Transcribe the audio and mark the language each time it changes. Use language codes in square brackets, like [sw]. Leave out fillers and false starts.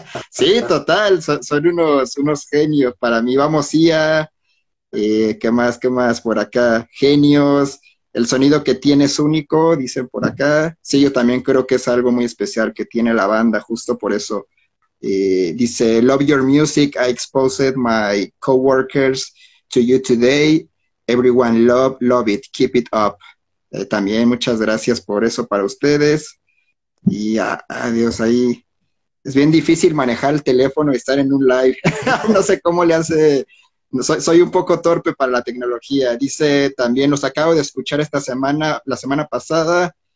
[es] Sí, total, son unos genios para mí. Vamos, IA, ¿qué más por acá? Genios, el sonido que tiene es único, dicen por acá. Sí, yo también creo que es algo muy especial que tiene la banda, justo por eso. Dice, [en] love your music, I exposed my coworkers to you today. Everyone love it, keep it up. [es] También muchas gracias por eso para ustedes. Y adiós ahí. Es bien difícil manejar el teléfono y estar en un live. No sé cómo le hace. Soy un poco torpe para la tecnología. Dice también, los acabo de escuchar esta semana, la semana pasada.